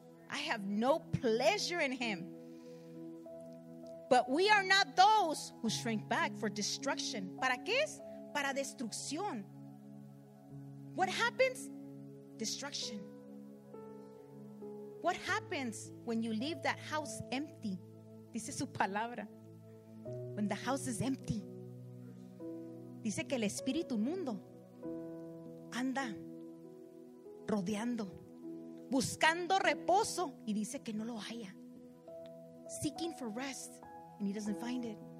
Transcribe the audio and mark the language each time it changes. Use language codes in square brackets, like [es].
[en] I have no pleasure in him. But we are not those who shrink back for destruction. [es] ¿Para qué es? Para destrucción. [en] What happens? Destruction. What happens when you leave that house empty? [es] Dice su palabra. [en] When the house is empty. [es] Dice que el espíritu mundo anda rodeando, buscando reposo, y dice que no lo haya. [en] Seeking for rest, and he doesn't find it.